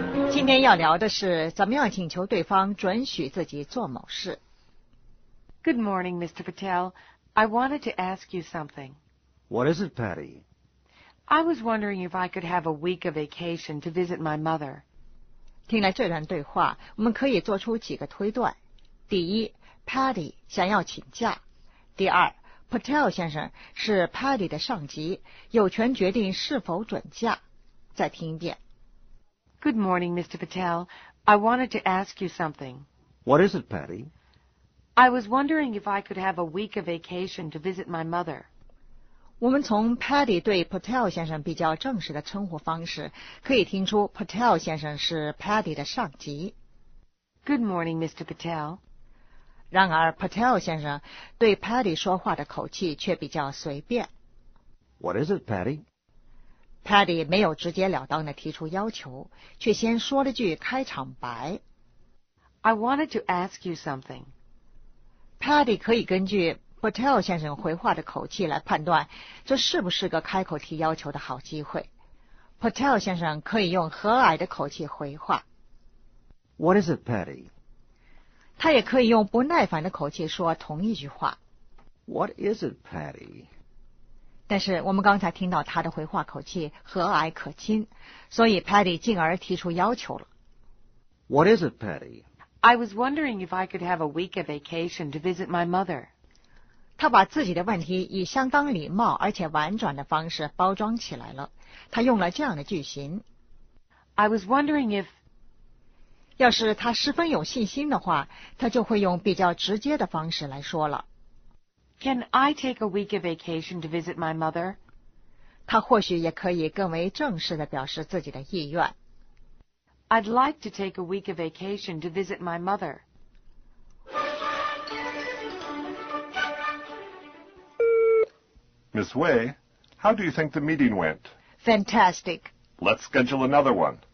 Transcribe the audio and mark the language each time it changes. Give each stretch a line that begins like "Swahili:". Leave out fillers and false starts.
Chinese: 今天要聊的是怎么样请求对方准许自己做某事。
English: Good morning, Mr. Patel. I wanted to ask you something. What is it, Patty? I was wondering if I could have a week of vacation to visit my mother.
Chinese: 听了这段对话，我们可以做出几个推断。第一 ，Patty 想要请假。第二 ，Patel 先生是 Patty 的上级，有权决定是否准假。再听一遍。
English: Good morning, Mr. Patel. I wanted to ask you something. What is it, Patty? I was wondering if I could have a week of vacation to visit my mother.
Chinese: 我们从 Patty 对 Patel 先生比较正式的称呼方式，可以听出 Patel 先生是 Patty 的上级。
English: Good morning, Mr. Patel.
Chinese: 然而 Patel 先生对 Patty 说话的口气却比较随便。
English: What is it, Patty?
Chinese: Patty 没有直截了当地提出要求，却先说了句开场白。
English: I wanted to ask you something.
Chinese: Patty 可以根据 Patel 先生回话的口气来判断这是不是个开口提要求的好机会。 Patel 先生可以用和蔼的口气回话。
English: What is it, Patty?
Chinese: 他也可以用不耐烦的口气说同一句话。
English: What is it, Patty?
Chinese: 但是我们刚才听到他的回话口气和蔼可亲，所以 Patty 进而提出要求了。
English: What is it, Patty? I was wondering if I could have a week of vacation to visit my mother.
Chinese: 他把自己的问题以相当礼貌而且婉转的方式包装起来了。他用了这样的句型。
English: I was wondering if...
Chinese: 要是他十分有信心的话，他就会用比较直接的方式来说了。
English: Can I take a week of vacation to visit my mother?
Chinese: 他或许也可以更为正式地表示自己的意愿。
English: I'd like to take a week of vacation to visit my mother. Miss Wei, how do you think the meeting went? Fantastic. Let's schedule another one.